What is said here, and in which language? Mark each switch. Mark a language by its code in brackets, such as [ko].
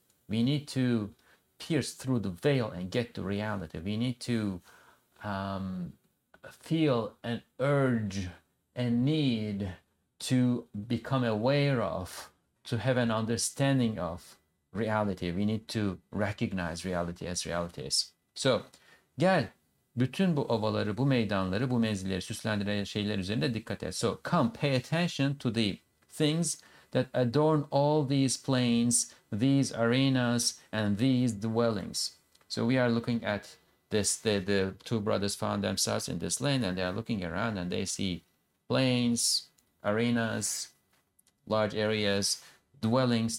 [en] We need to pierce through the veil and get to reality. We need to feel an urge and need to become aware of, to have an understanding of reality. We need to recognize reality as reality is. [tr] So, gel, bütün bu ovaları, bu meydanları, bu menzilleri süslendiren şeyler üzerinde dikkat et. [en] So, come, pay attention to the things that adorn all these plains, these arenas, and these dwellings. So we are looking at this. The two brothers found themselves in this land, and they are looking around, and they see plains, arenas, large areas, dwellings.